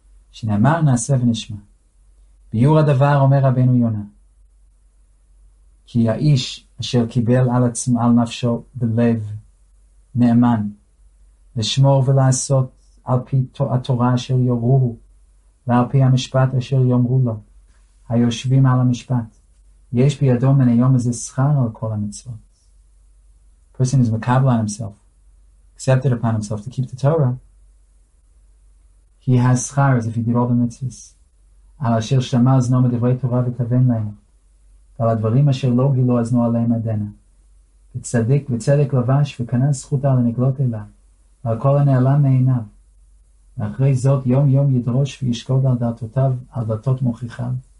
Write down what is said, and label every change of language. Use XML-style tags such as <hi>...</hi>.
<he>שנאמר נעשה ונשמע. ביור הדבר אומר רבנו יונה, כי האיש אשר קיבל על עצמו על נפשו בלב נאמן, לשמור ולעשות על פי התורה אשר יורוהו, ועל פי המשפט אשר יאמרו לו, היושבים על המשפט. יש בידו מן היום הזה שכר על כל המצוות.</he> <en>Person is mekabel on himself, accepted upon himself to keep the Torah. He has schar as if he did all the mitzvahs.</en> <he>על אשר שמע זנו מדברי תורה וכוון להם. ועל הדברים אשר לא גילו אזנו עליהם עדנה. וצדיק וצדק לבש וקנה זכות על הנגלות אליו. ועל כל הנעלם מעיניו. ואחרי זאת יום יום ידרוש וישקוד על דלתותיו, על דלתות מוכיחיו.</he>